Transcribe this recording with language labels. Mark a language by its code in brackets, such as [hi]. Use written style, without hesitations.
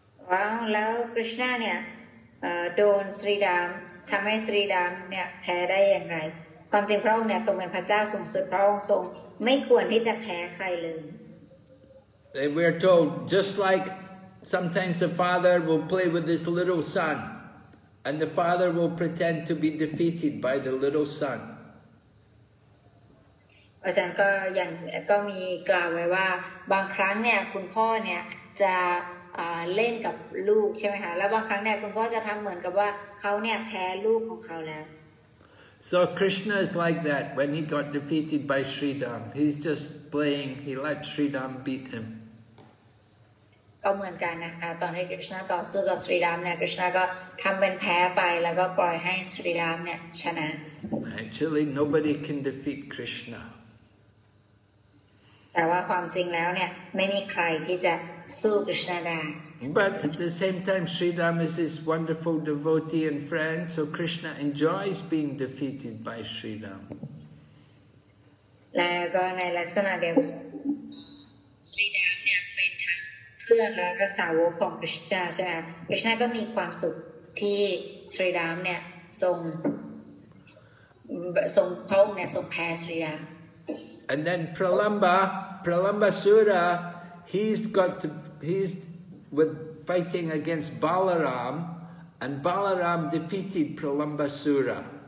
[th] Wow, แล้ว Krishna เนี่ยโดน Sridham ทำให้ Sridham เนี่ยแพ้ได้อย่างไรความจริงพระองค์เนี่ยทรงเป็นพระเจ้าสูงสุดพระองค์ทรงไม่ควรที่จะแพ้ใครเลย [en] We are told just like sometimes the father will play with his little son and the father will pretend to be defeated by the little son [th] อาจารย์ก็อย่างก็มีกล่าวไว้ว่าบางครั้งเนี่ยคุณพ่อเนี่ยจะเล่นกับลูกใช่ไหมคะแล้วบางครั้งเนี่ยคุณพ่อจะทำเหมือนกับว่าเขาเนี่ยแพ้ลูกของเขาแล้ว [en] So Krishna is like that when he got defeated by Sridham. He's just playing. He let Sridham beat him. [th] ก็เหมือนกันนะคะตอนที่ Krishna ต่อสู้กับ Sridham เนี่ย Krishna ก็ทำเป็นแพ้ไปแล้วก็ปล่อยให้ Sridham เนี่ยชนะ [en] Actually, nobody can defeat Krishna. [th] แต่ว่าความจริงแล้วเนี่ยไม่มีใครที่จะสู้ Krishna ได้ [en] But at the same time, Sridham is this wonderful devotee and friend, so Krishna enjoys being defeated by Sridham. And then Pralamba Sura, he's with fighting against Balaram and Balaram defeated Pralambasura.